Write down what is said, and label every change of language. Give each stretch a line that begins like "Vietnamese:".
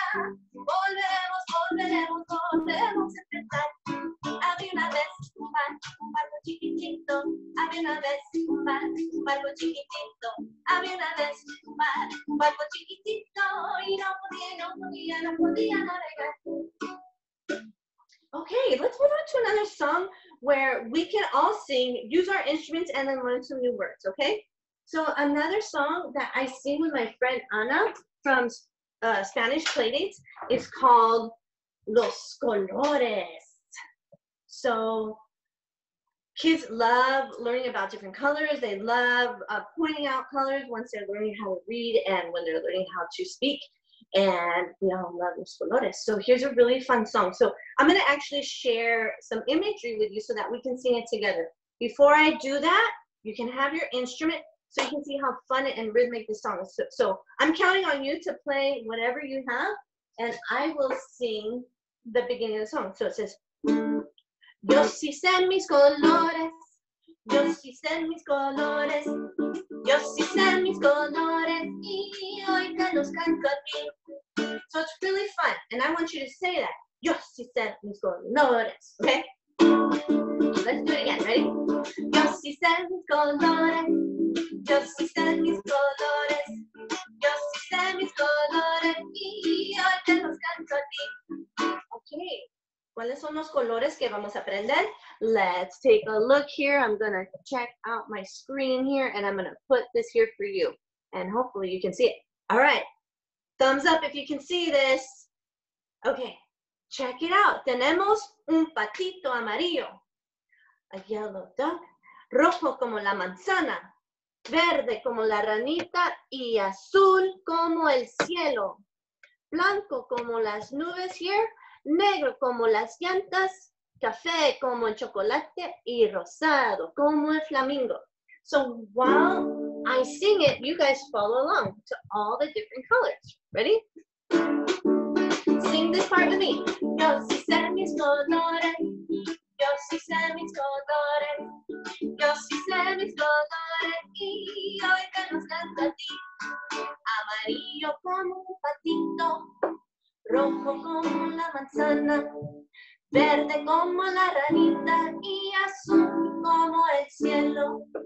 Spanish: Volveremos, volveremos, volveremos a empezar. Había una vez un barco chiquitito. Había una vez un barco chiquitito. Había una vez un barco chiquitito. Y no podía, no podía, no podía navegar.
English: Okay, let's move on to another song where we can all sing, use our instruments, and then learn some new words, okay? So another song that I sing with my friend Ana from Spanish Playdates is called Los Colores. So kids love learning about different colors. They love pointing out colors once they're learning how to read and when they're learning how to speak. And we all love Los Colores. So here's a really fun song. So I'm going to actually share some imagery with you so that we can sing it together. Before I do that, you can have your instrument. so you can see how fun and rhythmic the song is. So I'm counting on you to play whatever you have, and I will sing the beginning of the song. So it says,
Spanish: yo si sé mis colores, yo si sé mis colores, yo si sé mis colores, y hoy te los canto a ti.
English: So it's really fun, and I want you to say that.
Spanish: Yo si sé mis colores,
English: okay? Let's do it again, ready?
Spanish: Yo si sé mis colores, yo si sé mis colores, yo si sé mis colores, y hoy te los canto a ti. Okay. ¿Cuáles son los colores que vamos a aprender?
English: Let's take a look here. I'm going to check out my screen here, and I'm going to put this here for you. And hopefully you can see it. All right. Thumbs up if you can see this. Okay. Check it out.
Spanish: Tenemos un patito amarillo.
English: A yellow duck.
Spanish: Rojo como la manzana. Verde como la ranita. Y azul como el cielo. Blanco como las nubes here. Negro como las llantas, café como el chocolate, y rosado como el flamingo.
English: So while I sing it, you guys follow along to all the different colors. Ready? Sing this part with me.
Spanish: Yo si sé mis colores, yo si sé mis colores, yo si sé mis colores, y hoy te los canto a ti. Amarillo como un patito. Rojo como la manzana, verde como la ranita, y azul como el cielo.